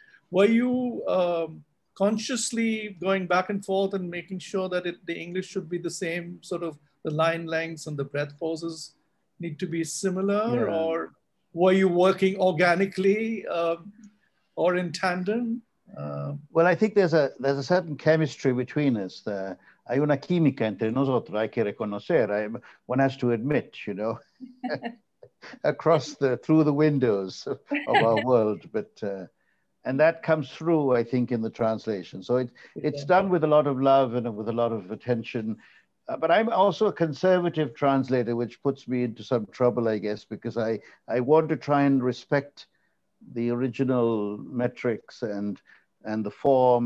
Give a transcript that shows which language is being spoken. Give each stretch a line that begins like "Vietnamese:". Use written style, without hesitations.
English: Were you consciously going back and forth and making sure that the English should be the same, sort of the line lengths and the breath pauses need to be similar? Yeah. Or were you working organically or in tandem? Well, I think there's a certain chemistry between us.
Spanish: Hay una química entre nosotros, hay que reconocer.
English: One has to admit, you know, through the windows of our world. And that comes through, I think, in the translation. So it's done with a lot of love and with a lot of attention. But I'm also a conservative translator, which puts me into some trouble, I guess, because I want to try and respect the original metrics and the form.